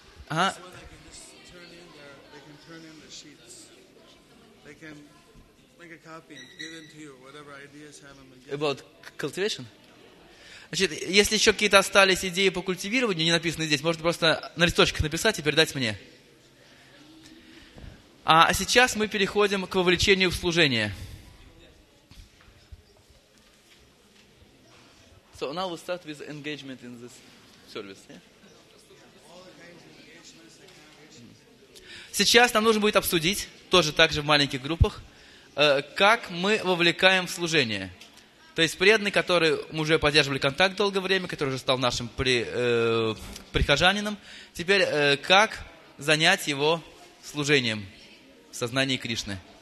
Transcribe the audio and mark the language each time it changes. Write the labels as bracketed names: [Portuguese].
[English] So they can just turn in their, they can turn in the sheets. They can make a copy and give it to you, whatever ideas have them. About cultivation? [Russian] Значит, если еще какие-то остались идеи по культивированию, не написанные здесь, можно просто на листочках написать и передать мне. А сейчас мы переходим к вовлечению в служение. [English] So now we'll start with engagement in this service. [Russian] Сейчас нам нужно будет обсудить, тоже так же в маленьких группах, как мы вовлекаем в служение. То есть преданный, который мы уже поддерживали контакт долгое время, который уже стал нашим прихожанином, теперь как занять его служением в сознании Кришны?